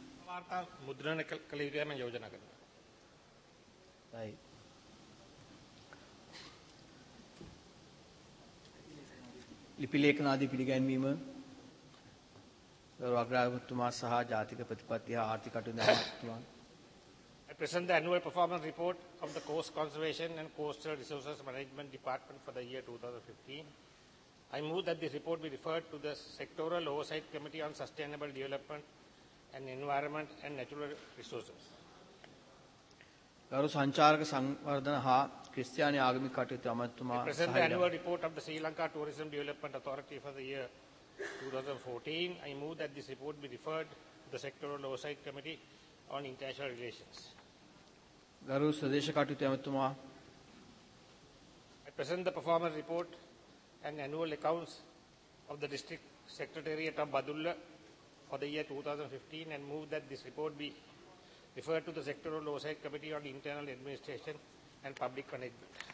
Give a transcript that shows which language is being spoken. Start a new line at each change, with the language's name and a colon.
Sinhala: වාර්තා මුද්‍රණය කළ යුතුයි මම යෝජනා කරනවා. ලිපි ලේඛන ආදිය පිළිගැන්වීම ගෞරව අග්‍රාධිපතිතුමා සහ ජාතික ප්‍රතිපත්ති හා ආර්ථික කටයුතු අධ්‍යක්ෂතුමා.
English: I present the annual performance report of the Coast Conservation and Coastal Resources Management Department for the year 2015. I move that this report be referred to the Sectoral Oversight Committee on Sustainable Development and Environment and Natural Resources.
Sinhala: ගරු සංචාරක සංවර්ධන හා ක්‍රිස්තියානි ආගමික කටයුතු අමාත්‍යතුමා.
English: I present the annual report of the Sri Lanka Tourism Development Authority for the year 2014. I move that this report be referred to the Sectoral Oversight Committee on International Relations.
Sinhala: ගරු ස්වදේශ කටයුතු අමාත්‍යතුමා.
English: I present the performance report and annual accounts of the District Secretariat of Badulla for the year 2015 and move that this report be referred to the Sectoral Oversight Committee on Internal Administration and Public Management.